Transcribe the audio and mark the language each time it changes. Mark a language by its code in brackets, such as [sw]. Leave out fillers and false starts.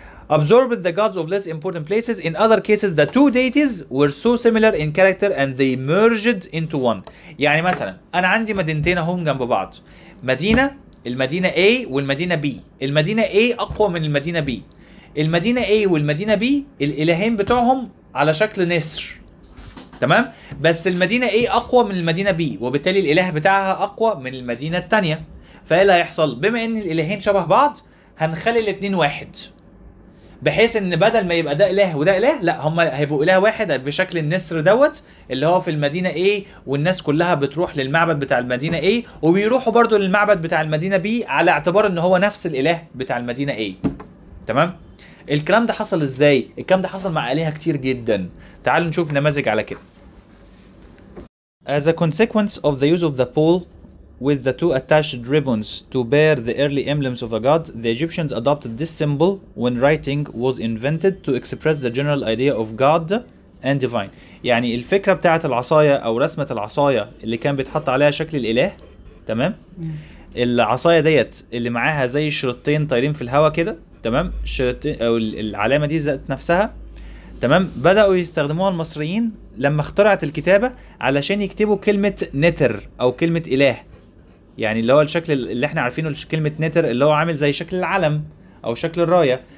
[en] Absorbed the gods of less important places. In other cases the two deities were so similar in character and they merged into one. [ar] يعني مثلا انا عندي مدينتين هم جنب بعض، مدينه المدينة A والمدينة B. المدينة A أقوى من المدينة B. المدينة A والمدينة B الإلهين بتوعهم على شكل نسر، تمام؟ بس المدينة A أقوى من المدينة B، وبالتالي الإله بتاعها أقوى من المدينة التانية. فإيه اللي هيحصل؟ بما إن الإلهين شبه بعض هنخلي الاتنين واحد، بحيث إن بدل ما يبقى ده إله وده إله، لا هما هيبقوا إله واحد بشكل النسر دوت اللي هو في المدينة A، والناس كلها بتروح للمعبد بتاع المدينة A وبيروحوا برضو للمعبد بتاع المدينة B على اعتبار إن هو نفس الإله بتاع المدينة A، تمام؟ الكلام ده حصل ازاي؟ الكلام ده حصل مع آلهة كتير جدا. تعالوا نشوف نماذج على كده. [en] As a consequence of the use of the pole with the two attached ribbons to bear the early emblems of a god, the Egyptians adopted this symbol when writing was invented to express the general idea of god and divine. [ar] يعني الفكرة بتاعت العصاية او رسمة العصاية اللي كان بيتحط عليها شكل الإله، تمام؟ العصاية ديت اللي معاها زي شرطين طايرين في الهواء كده، تمام، او العلامه دي ذات نفسها، تمام، بداوا يستخدموها المصريين لما اخترعت الكتابه علشان يكتبوا كلمه نتر او كلمه اله، يعني اللي هو الشكل اللي احنا عارفينه كلمه نتر اللي هو عامل زي شكل العلم او شكل الرايه.